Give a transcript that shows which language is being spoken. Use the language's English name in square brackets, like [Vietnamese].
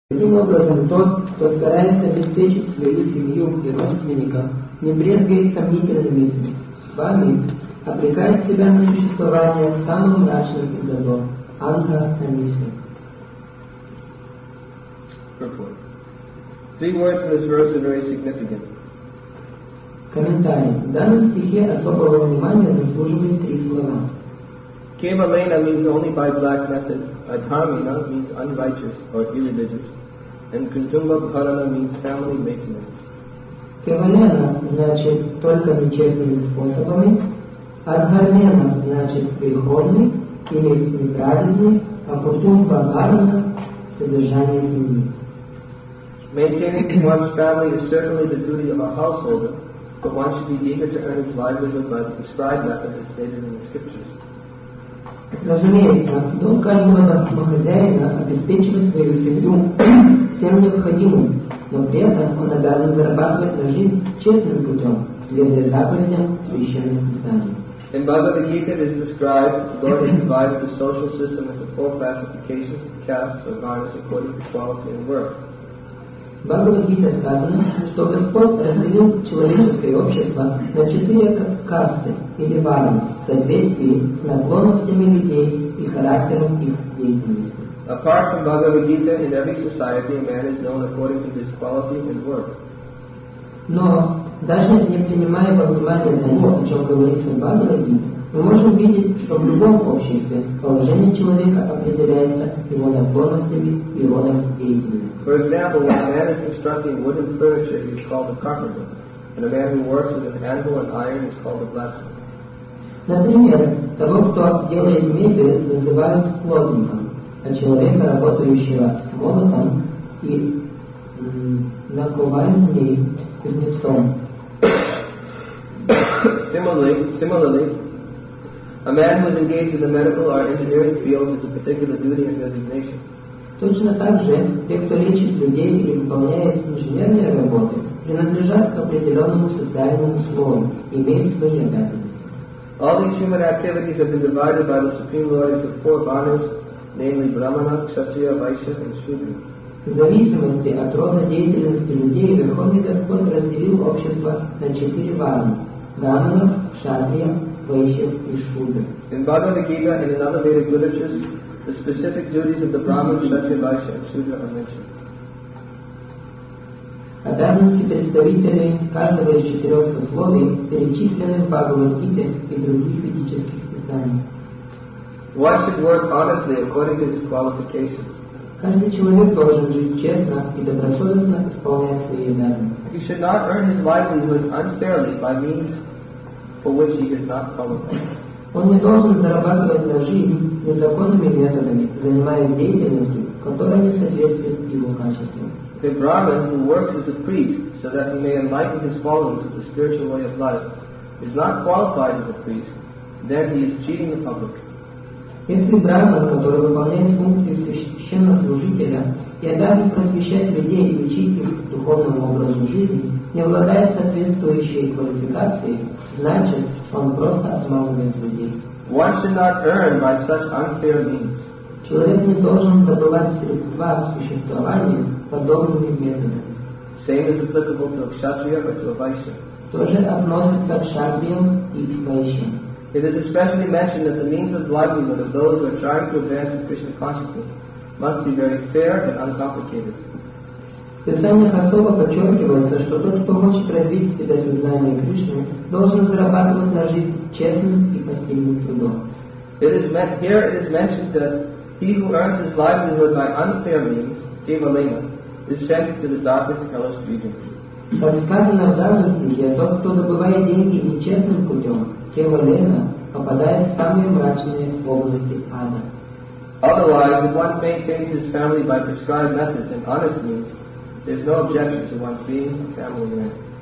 [Russian] таким образом тот, кто старается обеспечить свою семью и родственника, не брезгает сомнительными словами, обрекает себя на существование в самом мрачном из задор, анга на мисли. [English] Big words in this verse are very significant. [Russian] Комментарий. В данном стихе особого внимания заслуживает три слова. [English] Kevalena means only by black methods. Adhamina means unrighteous or irreligious. And Kuntumba Bharana means family maintenance. [Russian] Kevalena значит только нечестными способами. Adharmena значит приходный или неправильный. А Kuntumba Bharana содержание семьи. [English] Maintaining one's family is certainly the duty of a householder, but one should be eager to earn his livelihood by the prescribed method as stated in the scriptures. [Russian] Разумеется, дом каждого домохозяина обеспечивает свою семью всем необходимым, но при этом он обязан зарабатывать на жизнь честным путем, следуя заповедям священных писаний. [English] In Bhagavad Gita it is described, the Lord has divided the social system into four classifications of castes or varnas according to quality and worth. [Russian] В Бхагавад-гите сказано, что Господь разделил человеческое общество на четыре касты или варны в соответствии с наклонностями людей и характером их деятельности. [English] Apart from Bhagavad-gita, in every society, man is known according to his quality and worth. [Russian] Но даже не принимая во внимание того, о чем говорится в Бхагавад-гите, мы можем видеть, что в любом обществе положение человека определяется его наклонностями и родом деятельности. [English] For example, when a man is constructing wooden furniture, he is called a carpenter, and a man who works with an anvil and iron is called a blacksmith. [Russian] Например, того, кто делает мебель, называют плотником, а человека, работающего с молотом и наковальней, кузнецом. [English] Similarly, a man who is engaged in the medical or engineering field has a particular duty and designation. [Russian] Точно так же, те, кто лечит людей или выполняет инженерные работы, принадлежат к определенному социальному слою, имеют свои обязанности. [English] All these human activities have been divided by the Supreme Lord into four varnas, namely Brahmana, Kshatriya, Vaishya, and Shudra. [Russian] В зависимости от рода деятельности людей, Верховный Господь разделил общество на четыре варны – Брамана, Кшатрия, Вайшья и Шудра. [English] In Bhagavad Gita and in other Vedic literatures, the specific duties of the Brahman, Kshatriya, Vaishya, and Shudra are mentioned. [Russian] Обязанности представителей каждого из четырех сословий перечислены в Бхагавад-гите и других ведических писаниях. [English] One should work honestly according to his qualifications. [Russian] Каждый человек должен жить честно и добросовестно исполняя свои обязанности. [English] He should not earn his livelihood unfairly by means for which he is not qualified. [Russian] Он не должен зарабатывать на жизнь незаконными методами, занимаясь деятельностью, которая не соответствует его качеству. [English] The Brahman who works as a priest so that he may enlighten his followers with the spiritual way of life is not qualified as a priest, then he is cheating the public. [Russian] Если Брахман, который выполняет функции священнослужителя и обязан просвещать людей и учить их духовному образу жизни, не обладает соответствующей квалификацией, значит, он просто обманывает людей. [English] One should not earn by such unfair means. [Russian] Человек не должен добывать средства к существованию подобными методами. [English] Same is applicable to a kshatriya or to a vaishya. [Russian] Тоже относится к кшатриям и к вайшьям. [English] It is especially mentioned that the means of livelihood of those who are trying to advance in Krishna consciousness must be very fair and uncomplicated. [Russian] В писаниях особо подчеркивается, что тот, кто хочет развить в себя сознание Кришны, должен зарабатывать на жизнь честным и пассивным трудом. [English] Here it is mentioned that he who earns his livelihood by unfair means, Kevalena, is sent to the darkest hellish region. [Russian] Как сказано в данном стихе, тот, кто добывает деньги нечестным путем, Кевалена, попадает в самые мрачные области ада. [English] Otherwise, if one maintains his family by prescribed methods and honest means, there's no objection to one's being a family man.